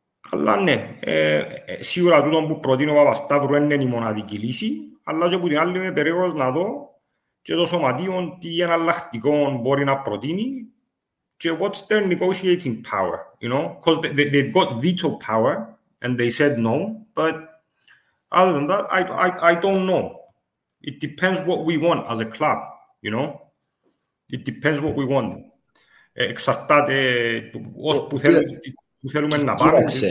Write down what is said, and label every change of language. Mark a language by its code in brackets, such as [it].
[el] Αλλά ναι, σίγουρα τούτο που προτείνω ο Παπασταύρου είναι η μοναδική λύση, αλλά και από την άλλη είμαι περίεργος να δω και το σωματείο τι εναλλακτικό μπορεί να προτείνει και [en] what's their negotiating power, you know, because they've got veto power and they said no, but other than that, I don't know. It depends what we want as a club, you know. It depends what we want. [el] Εξαρτάται ως που θέλουμε να πάμε.